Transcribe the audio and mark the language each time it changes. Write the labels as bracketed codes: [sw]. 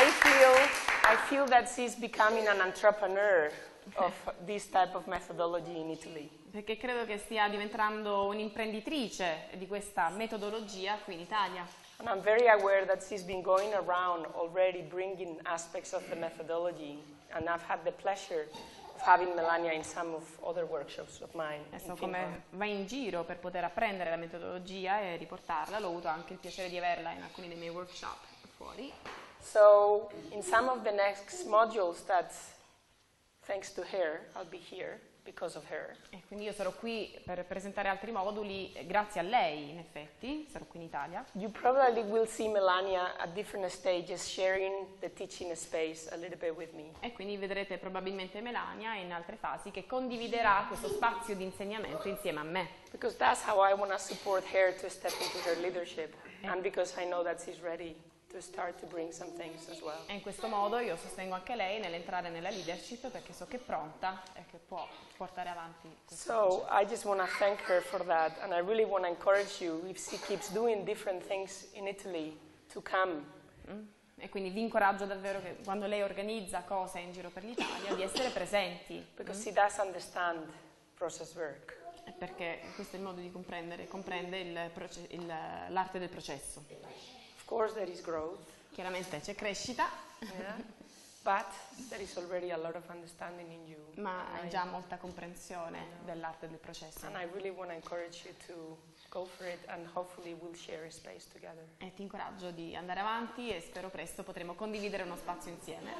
[en] I feel that she's becoming an entrepreneur of this type of methodology in Italy. [it] Perché credo che stia diventando un'imprenditrice di questa metodologia qui in Italia. [en] And I'm very aware that she's been going around already bringing aspects of the methodology, and I've had the pleasure of having Melania in some of other workshops of mine. [it] So come va in giro per poter apprendere la metodologia e riportarla, l'ho avuto anche il piacere di averla in alcuni dei miei workshop fuori. [en] So, in some of the next modules that, thanks to her, I'll be here because of her. [it] E quindi io sarò qui per presentare altri moduli, grazie a lei, in effetti, sarò qui in Italia. [en] You probably will see Melania at different stages sharing the teaching space a little bit with me. [it] E quindi vedrete probabilmente Melania in altre fasi che condividerà questo spazio di insegnamento insieme a me. [en] Because that's how I want to support her to step into her leadership, and because I know that she's ready to start to bring some things as well. [it] E in questo modo io sostengo anche lei nell'entrare nella leadership, perché so che è pronta e che può portare avanti questo. [en] So concetto. I just want to thank her for that, and I really want to encourage you, if she keeps doing different things in Italy, to come. [it] E quindi vi incoraggio davvero che quando lei organizza cose in giro per l'Italia di essere presenti. [en] Because she does understand process work. [it] Perché questo è il modo di comprendere, comprende l'arte del processo. [en] Of course there is growth. [it] Chiaramente c'è crescita. [en] Yeah. But there is already a lot of understanding in you. [it] Ma hai già molta comprensione dell'arte del processo. [en] And I really want to encourage you to go for it and hopefully we'll share a space together. [it] E ti incoraggio di andare avanti e spero presto potremo condividere uno spazio insieme.